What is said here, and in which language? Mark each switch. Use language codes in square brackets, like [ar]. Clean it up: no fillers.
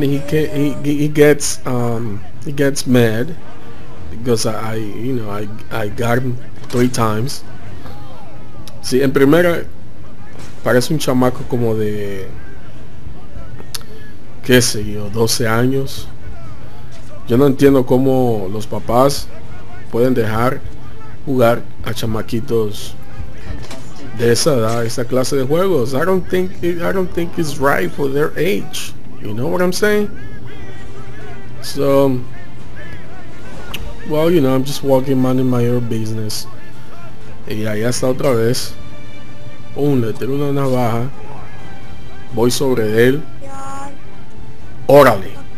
[en] He gets mad because I got him three times. [es] Sí, en primera parece un chamaco como de qué sé yo, 12 años. Yo no entiendo cómo los papás pueden dejar jugar a chamaquitos de esa edad, esa clase de juegos. [en] I don't think it's right for their age. You know what I'm saying? So, well, you know, I'm just walking, minding my own business. [es] Y ahí está otra vez. Un letrero, una navaja. Voy sobre él. Órale.